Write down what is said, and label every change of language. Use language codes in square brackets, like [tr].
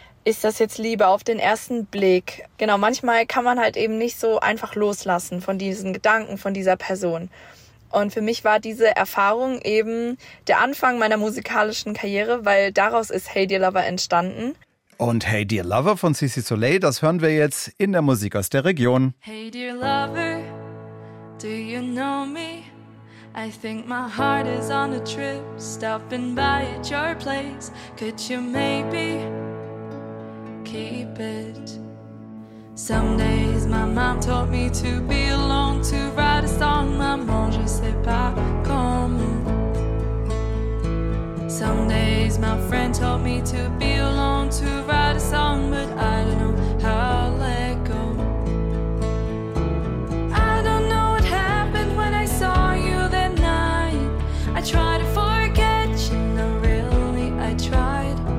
[de] Ist das jetzt Liebe auf den ersten Blick? Genau, manchmal kann man halt eben nicht so einfach loslassen von diesen Gedanken, von dieser Person. Und für mich war diese Erfahrung eben der Anfang meiner musikalischen Karriere, weil daraus ist Hey Dear Lover entstanden. Und Hey Dear Lover von Cissy Soleil, das hören wir jetzt in der Musik aus der Region. [en] Hey Dear Lover, do you know me? I think my heart is on a trip, stopping by at your place. Could you maybe keep it? Some days my mom taught me to be alone, to write a song. [fr] Maman, je sais pas comment. [en] Some days my friend taught me to be alone, to write a song, but I don't know how to let go. I don't know what happened when I saw you that night. I tried to forget you, no, really, I tried.